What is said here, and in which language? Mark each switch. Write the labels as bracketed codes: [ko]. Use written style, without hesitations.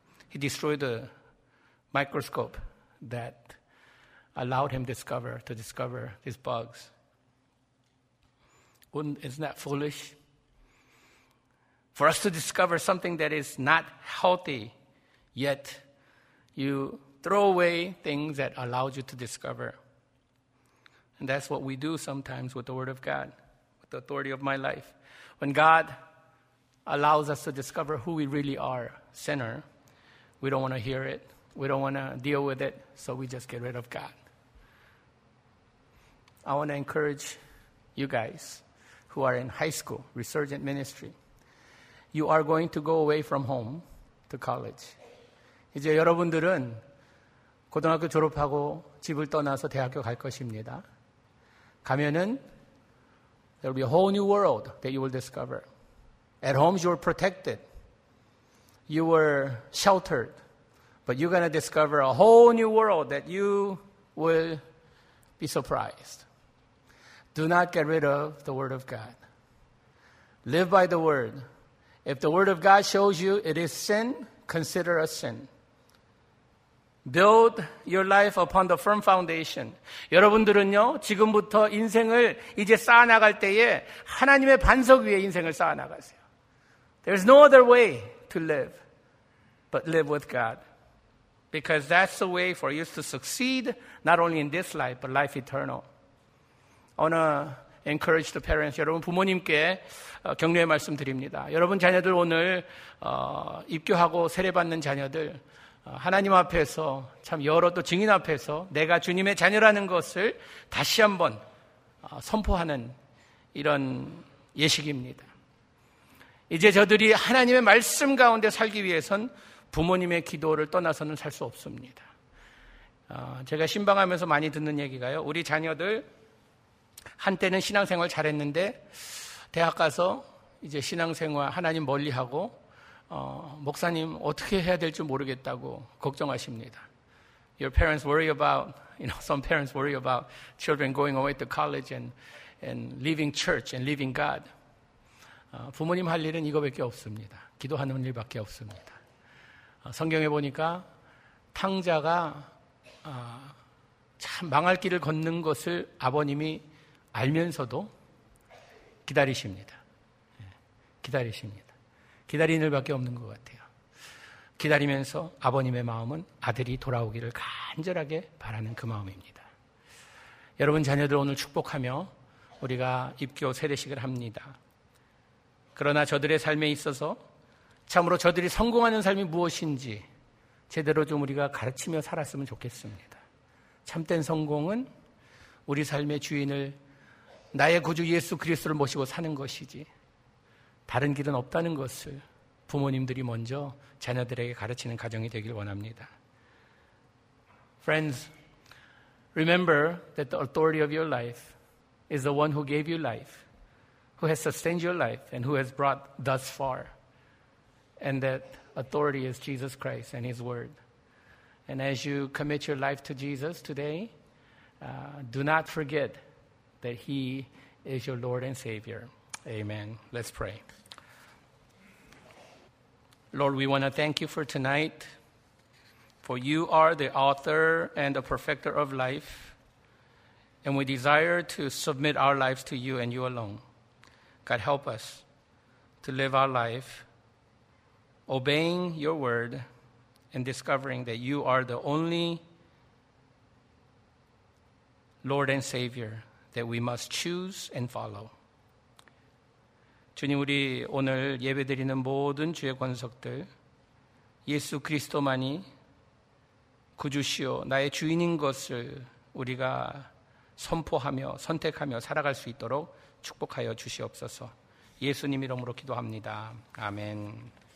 [en] He destroyed the microscope that allowed him to discover these bugs. Isn't that foolish? For us to discover something that is not healthy, yet you throw away things that allowed you to discover. And that's what we do sometimes with the Word of God, with the authority of my life. When God allows us to discover who we really are, sinner, we don't want to hear it. We don't want to deal with it, so we just get rid of God. I want to encourage you guys who are in high school, Resurgent Ministry, you are going to go away from home to college. [ko] 이제 여러분들은 고등학교 졸업하고 집을 떠나서 대학교 갈 것입니다. 가면은 [en] there will be a whole new world that you will discover. At home you are protected. You were sheltered. But you're going to discover a whole new world that you will be surprised. Do not get rid of the Word of God. Live by the Word. If the Word of God shows you it is sin, consider a sin. Build your life upon the firm foundation. [ko] 여러분들은요, 지금부터 인생을 이제 쌓아나갈 때에 하나님의 반석 위에 인생을 쌓아나가세요. [en] There's no other way to live but live with God. Because that's the way for you to succeed not only in this life but life eternal. Encourage the parents. [ko] 여러분 부모님께 격려의 말씀 드립니다. 여러분 자녀들 오늘 입교하고 세례받는 자녀들 하나님 앞에서 참 여러 또 증인 앞에서 내가 주님의 자녀라는 것을 다시 한번 선포하는 이런 예식입니다. 이제 저들이 하나님의 말씀 가운데 살기 위해선 부모님의 기도를 떠나서는 살 수 없습니다. 제가 신방하면서 많이 듣는 얘기가요. 우리 자녀들 한때는 신앙생활 잘했는데 대학 가서 이제 신앙생활 하나님 멀리하고 목사님 어떻게 해야 될지 모르겠다고 걱정하십니다. [en] Your parents worry about, you know, some parents worry about children going away to college and leaving church and leaving God. [ko] 부모님 할 일은 이거밖에 없습니다. 기도하는 일밖에 없습니다. 성경에 보니까 탕자가 참 망할 길을 걷는 것을 아버님이 알면서도 기다리십니다. 기다리십니다. 기다리는 일밖에 없는 것 같아요. 기다리면서 아버님의 마음은 아들이 돌아오기를 간절하게 바라는 그 마음입니다. 여러분 자녀들 오늘 축복하며 우리가 입교 세례식을 합니다. 그러나 저들의 삶에 있어서 참으로 저들이 성공하는 삶이 무엇인지 제대로 좀 우리가 가르치며 살았으면 좋겠습니다. 참된 성공은 우리 삶의 주인을 나의 구주 예수 그리스도를 모시고 사는 것이지 다른 길은 없다는 것을 부모님들이 먼저 자녀들에게 가르치는 가정이 되길 원합니다. [en] Friends, remember that the authority of your life is the one who gave you life, who has sustained your life, and who has brought thus far. And that authority is Jesus Christ and His Word. And as you commit your life to Jesus today, do not forget that He is your Lord and Savior. Amen. Let's pray. Lord, we want to thank you for tonight, for you are the author and the perfecter of life, and we desire to submit our lives to you and you alone. God, help us to live our life obeying your word and discovering that you are the only Lord and Savior that we must choose and follow. [ko] 주님, 우리 오늘 예배드리는 모든 주의 권석들, 예수 그리스도만이 구주시오 나의 주인인 것을 우리가 선포하며 선택하며 살아갈 수 있도록 축복하여 주시옵소서. 예수님 이름으로 기도합니다. 아멘.